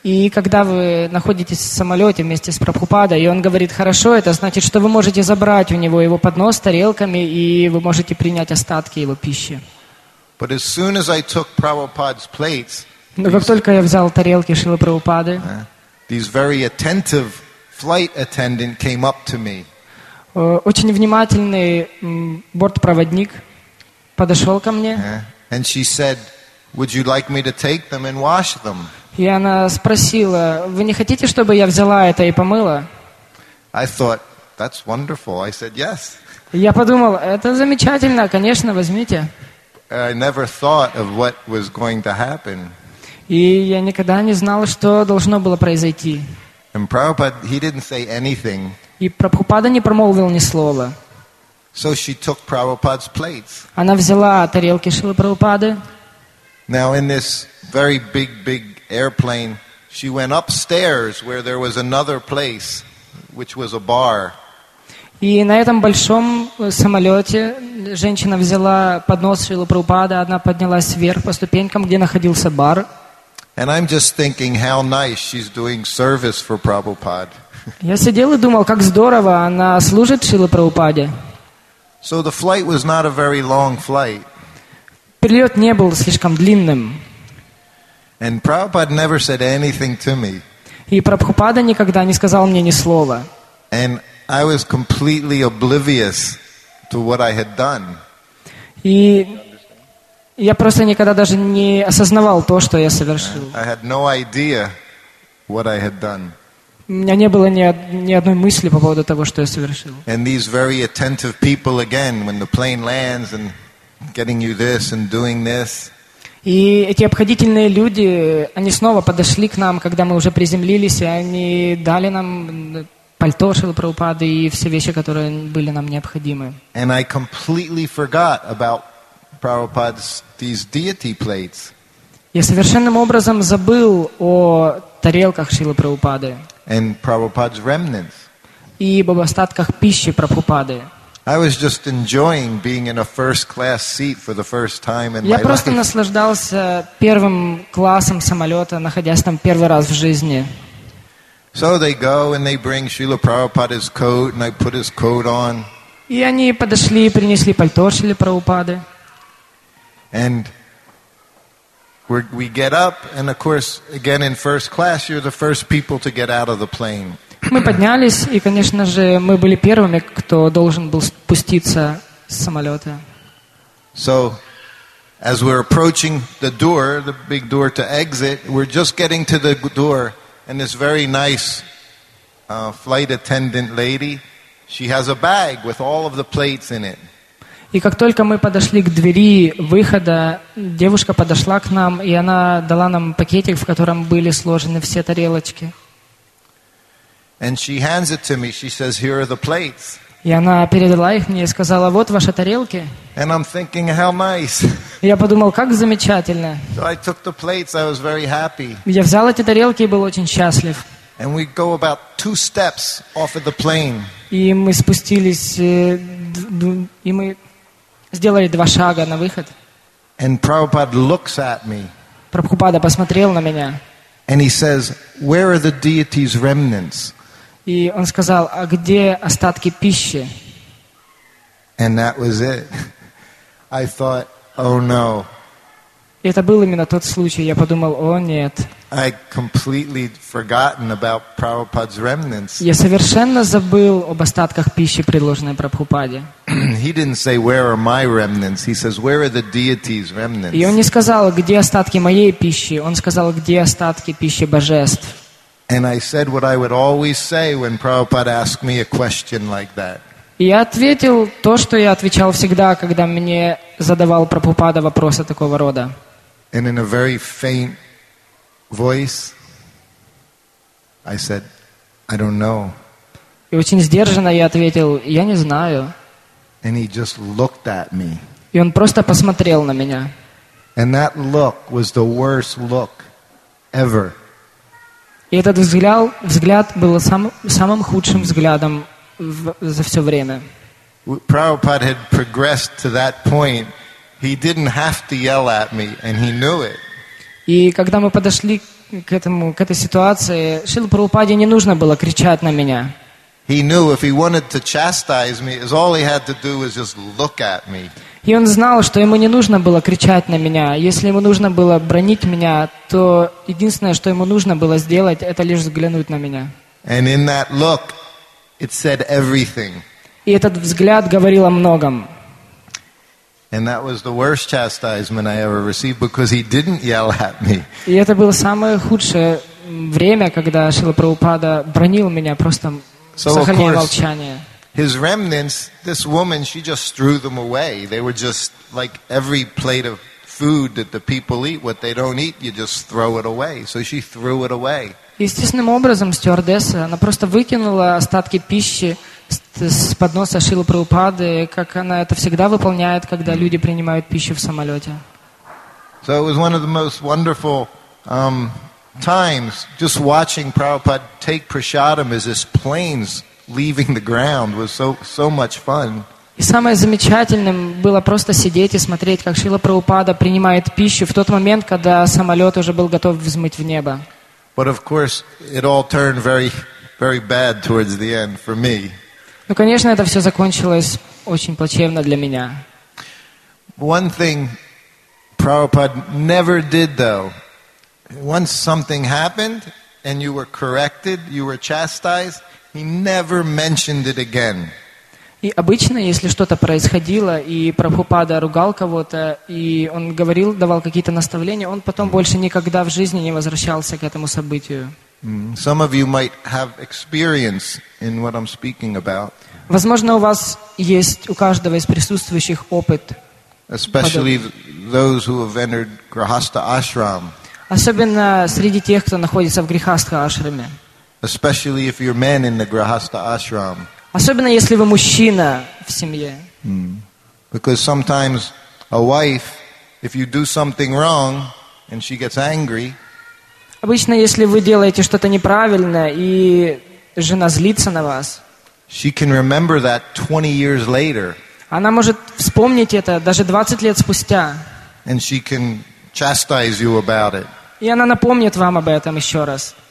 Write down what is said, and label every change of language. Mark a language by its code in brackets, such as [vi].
[ru] И когда вы находитесь в самолете вместе с Прабхупадой, и он говорит: «Хорошо», это значит, что вы можете забрать у него его поднос с тарелками, и вы можете принять остатки его пищи. [en] But as soon as I took Prabhupada's plates, [ru] но как только я взял тарелки Шрилы Прабхупады, [en] these very attentive flight attendant came up to me. [ru] Очень внимательный бортпроводник подошел ко мне. [en] And she said, "Would you like me to take them and wash them?" [ru] И она спросила: "Вы не хотите, чтобы я взяла это и помыла?" [en] I thought, "That's wonderful." I said, "Yes." [ru] Я подумал: "Это замечательно, конечно, возьмите." [en] I never thought of what was going to happen. [ru] И я никогда не знал, что должно было произойти. [en] And Prabhupada, he didn't say anything. [ru] И Прабхупада не промолвил ни слова. [en] So she took Prabhupada's plates. [ru] Она взяла тарелки Шрилы Прабхупады. [en] Now in this very big, big airplane, she went upstairs where there was another place, which was a bar. [ru] И на этом большом самолете женщина взяла поднос Шрилы Прабхупады, она поднялась вверх по ступенькам, где находился бар. [en] And I'm just thinking how nice she's doing service for Prabhupada. [ru] Я сидел и думал, как здорово она служит Шриле Прабхупаде. [en] So the flight was not a very long flight. [ru] Перелет не был слишком длинным. [en] And Prabhupada never said anything to me. [ru] И Прабхупада никогда не сказал мне ни слова. [en] And I was completely oblivious to what I had done. [ru] И я просто никогда даже не осознавал то, что я совершил. [en] I had no idea what I had done. [ru] У меня не было ни одной мысли по поводу того, что я совершил. [en] And these very attentive people again, when the plane lands and getting you this and doing this. [ru] И эти обходительные люди, они снова подошли к нам, когда мы уже приземлились, и они дали нам пальто Шрилы Прабхупады и все вещи, которые были нам необходимы. [en] And I completely forgot about Prabhupada's these deity plates. [ru] Я совершенным образом забыл о тарелках Шрилы Прабхупады. [en] And Prabhupada's remnants. [ru] И об остатках пищи Прабхупады. [en] I was just enjoying being in a first class seat for the first time in my life. [ru] Я просто наслаждался первым классом самолета, находясь там первый раз в жизни. [en] So they go and they bring Srila Prabhupada's coat and I put his coat on. [ru] И они подошли и принесли пальто Шрилы Прабхупады. [en] And we get up, and of course, again in first class, you're the first people to get out of the plane. [ru] Мы поднялись, и, конечно же, мы были первыми, кто должен был спуститься с самолета. [en] So as we're approaching the door, the big door to exit, we're just getting to the door, and this very nice flight attendant lady, she has a bag with all of the plates in it. [ru] И как только мы подошли к двери выхода, девушка подошла к нам, и она дала нам пакетик, в котором были сложены все тарелочки. [en] And she hands it to me. She says, "Here are the plates." [ru] И она передала их мне и сказала, вот ваши тарелки. [en] And I'm thinking, how nice. [ru] Я подумал, как замечательно. [en] So I took the plates, I was very happy. [ru] Я взял эти тарелки и был очень счастлив. [en] And we go about two steps off of the plane. [ru] И мы спустились, и мы сделали два шага на выход. [en] And Prabhupada looks at me. [ru] Прабхупада посмотрел на меня. [en] And he says, where are the deity's remnants? [ru] И он сказал, а где остатки пищи? [en] And that was it. I thought, oh no. [ru] Это был именно тот случай. Я подумал, о нет. [en] I completely forgotten about Prabhupada's remnants. [ru] Я совершенно забыл об остатках пищи, предложенной Прабхупаде. [en] He didn't say, where are my remnants? He says, where are the deity's remnants? [ru] И он не сказал, где остатки моей пищи. Он сказал, где остатки пищи божеств. [en] And I said what I would always say when Prabhupada asked me a question like that. [ru] Я ответил то, что я отвечал всегда, когда мне задавал Прабхупада вопросы такого рода. [en] And in a very faint voice, I said, I don't know. [ru] И очень сдержанно я ответил, я не знаю. [en] And he just looked at me. [ru] И он просто посмотрел на меня. [en] And that look was the worst look ever. [ru] И этот взгляд был самым худшим взглядом за все время. [en] Prabhupada had progressed to that point. He didn't have to yell at me, and he knew it. [ru] И когда мы подошли к этой ситуации, Шрила Прабхупаде не нужно было кричать на меня. [en] He knew if he wanted to chastise me, all he had to do was just look at me. [ru] И он знал, что ему не нужно было кричать на меня. Если ему нужно было бронить меня, то единственное, что ему нужно было сделать, это лишь взглянуть на меня. [en] And in that look, it said everything. [ru] И этот взгляд говорил о многом. [en] And that was the worst chastisement I ever received, because he didn't yell at me. [ru] И это было самое худшее время, когда Шрила Прабхупада бронил меня, просто сохраняя молчание. [en] His remnants, this woman, she just threw them away. They were just like every plate of food that the people eat. What they don't eat, you just throw it away. So she threw it away. [ru] Естественным образом стюардесса, она просто выкинула остатки пищи с подноса Шрилы Прабхупады, как она это всегда выполняет, когда люди принимают пищу в самолете. [en] So it was one of the most wonderful times just watching Prabhupada take prasadam as his planes leaving the ground was so much fun. [ru] И самое замечательное было просто сидеть и смотреть, как Шрила Прабхупада принимает пищу в тот момент, когда самолет уже был готов взмыть в небо. [en] But of course, it all turned very, very bad towards the end for me. [ru] Ну, конечно, это все закончилось очень плачевно для меня. [en] One thing Prabhupada never did, though, once something happened and you were corrected, you were chastised, he never mentioned it again. [ru] И обычно, если что-то происходило, и Прабхупада ругал кого-то, и он говорил, давал какие-то наставления, он потом больше никогда в жизни не возвращался к этому событию. [en] Some of you might have experience in what I'm speaking about. [ru] Возможно, у вас есть у каждого из присутствующих опыт. [en] Especially those who have entered grihastha ashram. [ru] Особенно среди тех, кто находится в грихастха ашраме. [en] Especially if you're men in the grihastha ashram. [ru] Особенно если вы мужчина в семье. [en] Because sometimes a wife, if you do something wrong and she gets angry. [ru] Обычно если вы делаете что-то неправильно и жена злится на вас. [en] She can remember that 20 years later. [ru] Она может вспомнить это даже 20 лет спустя. [en] And she can chastise you about it. [ru] И она напомнит вам об этом еще раз.